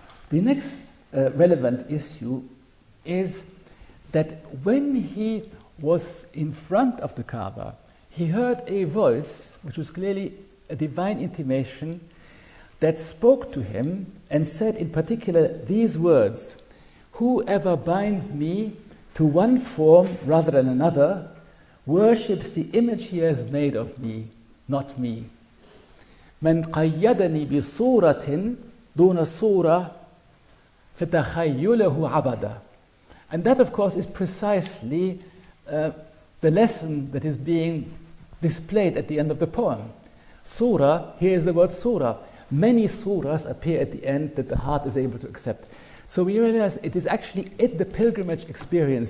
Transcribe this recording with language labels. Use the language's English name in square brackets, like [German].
[English] The next relevant issue is that when he was in front of the Kaaba, he heard a voice, which was clearly a divine intimation, that spoke to him and said in particular these words: "Whoever binds me to one form rather than another worships the image he has made of me, not me. [Arabic] من قيدني بصورة دون صورة فتخيله عبدا." [English] And that, of course, is precisely the lesson that is being displayed at the end of the poem. Surah, here is the word surah. Many surahs appear at the end that the heart is able to accept. So we realize it is actually at the pilgrimage experience.